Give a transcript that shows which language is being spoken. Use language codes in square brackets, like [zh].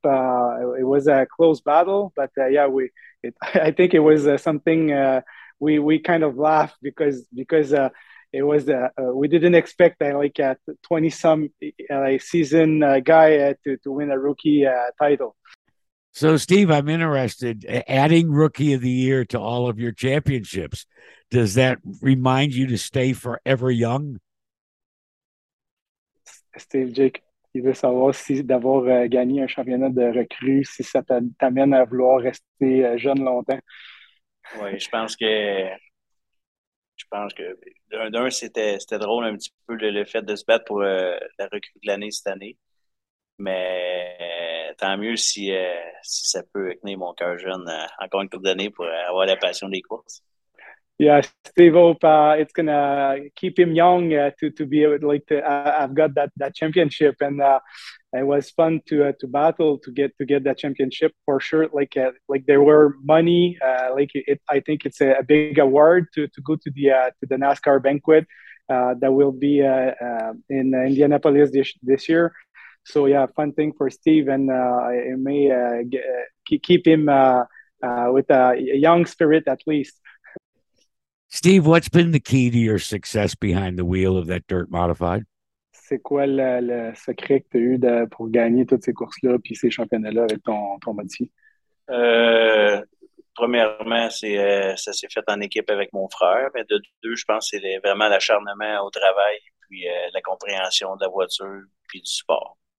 [en] It was a close battle, but I think it was something we kind of laughed because it was we didn't expect like a 20 some season guy to win a rookie title. So Steve, I'm interested, adding Rookie of the Year to all of your championships, does that remind you to stay forever young? [fr] Steve, Jake, il veut savoir si d'avoir gagné un championnat de recrue, si ça t'amène à vouloir rester jeune longtemps. Oui, je pense que d'un c'était drôle un petit peu le fait de se battre pour la recrue de l'année cette année. Mais tant mieux si ça peut tenir mon cœur jeune encore une couple d'années pour avoir la passion des courses. [en] Yeah, Steve, hope it's gonna keep him young to be able to I've got that championship, and it was fun to battle to get that championship for sure. Like there were money, I think it's a big award to go to the NASCAR banquet that will be in Indianapolis this year. So yeah, fun thing for Steve, and it may keep him with a young spirit at least. Steve, what's been the key to your success behind the wheel of that dirt modified? [fr] C'est quoi le secret que tu as eu pour gagner toutes ces courses-là puis ces championnats-là avec ton modifié? Premièrement, ça s'est fait en équipe avec mon frère. Mais de deux, je pense que c'est vraiment l'acharnement au travail puis la compréhension de la voiture puis du sport.